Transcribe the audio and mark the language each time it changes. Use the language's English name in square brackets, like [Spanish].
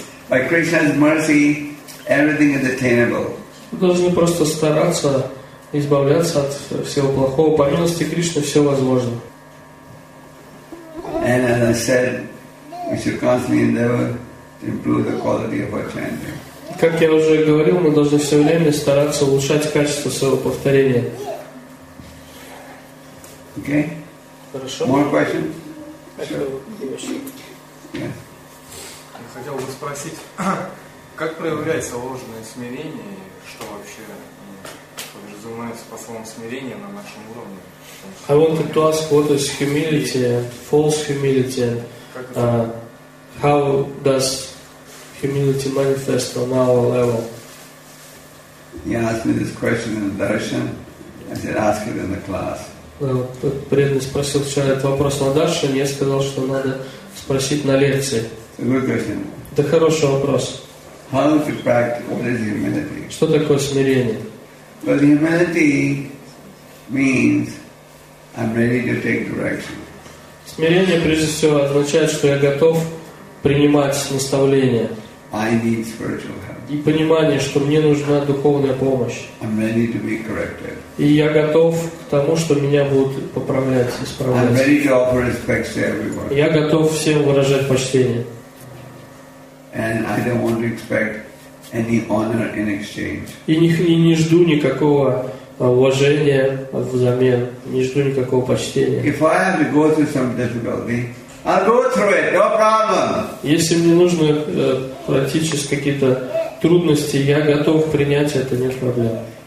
[Russian] Мы должны просто стараться избавляться от всего плохого. По милости Кришны все возможно. [English] And as I said, we should constantly endeavor to improve the quality of our chanting. [Russian] Как я уже говорил, мы должны все время стараться улучшать качество своего повторения. [English] Okay. [Russian] Хорошо. [English] More questions? Sure. Yes. [Russian] Я хотел бы спросить, как проявляется ложное смирение и что вообще подразумевается по словам смирения на нашем уровне? [English] I wanted to ask what is humility, false humility, how does humility manifest on our level? He asked me this question in darshan. I said, ask it in the class. [Russian] Преданный спросил вчера этот вопрос на даршан, я сказал, что надо спросить на лекции. [English] Good question. [Russian] Это хороший вопрос. [English] How to practice? What is humility? [Russian] Что такое смирение? [English] Well, humility means I'm ready to take direction. [Russian] Смирение прежде всего означает, что я готов принимать наставления. [English] I need spiritual help. [Russian] И понимание, что мне нужна духовная помощь. [English] I'm ready to be corrected. [Russian] И я готов к тому, что меня будут поправлять, исправлять. [English] I'm ready to offer respect to everyone. [Russian] Я готов всем выражать почтение. [English] And I don't want to expect any honor in exchange. [Russian] И не жду никакого уважение взамен, не жду никакого почтения. Если мне нужно пройти через какие-то трудности, я готов принять это, нет проблем.